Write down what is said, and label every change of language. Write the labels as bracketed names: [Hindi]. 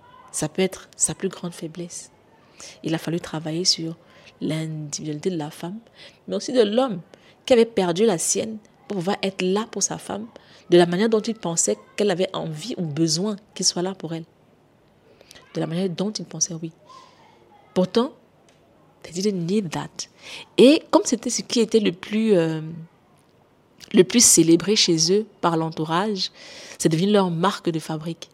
[French] Ça peut être sa plus grande faiblesse. Il a fallu travailler sur l'individualité de la femme, mais aussi de l'homme qui avait perdu la sienne pour pouvoir être là pour sa femme de la manière dont il pensait qu'elle avait envie ou besoin qu'il soit là pour elle. De la manière dont il pensait, oui. [English] Pourtant, they didn't need that. [French] Et comme c'était ce qui était le plus célébré chez eux par l'entourage, c'est devenu leur marque de fabrique.